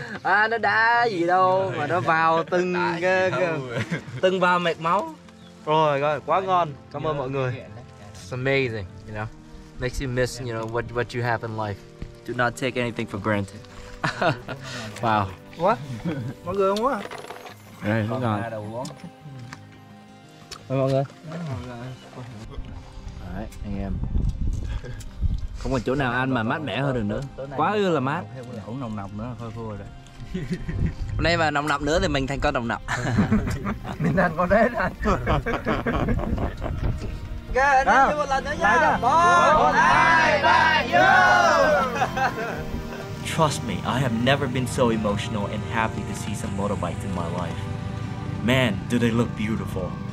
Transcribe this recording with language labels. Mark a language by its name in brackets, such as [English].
[Vietnamese] À, nó đá gì đâu mà nó vào từng từng vào mạch máu. Rồi, rồi, quá ngon. Cảm ơn mọi người. [English] It's amazing, you know. Makes you miss, you know, what you have in life. Do not take anything for granted. Wow. What? [Vietnamese] Mọi người không quá. Đây, nó ngon. Mọi người. Mọi người. Đấy, anh em. Không có chỗ nào ăn mà mát mẻ hơn được nữa. Quá ư là mát. Cũng nồng nọc nữa, hơi khô rồi đấy. Hôm nay mà nồng nọc nữa thì mình thành con nồng nọc. Mình thành con đấy nè. Ok, anh em thêm một lần nữa nha. [English] 1, 2, 3, you! Trust me, I have never been so emotional and happy to see some motorbikes in my life. Man, do they look beautiful.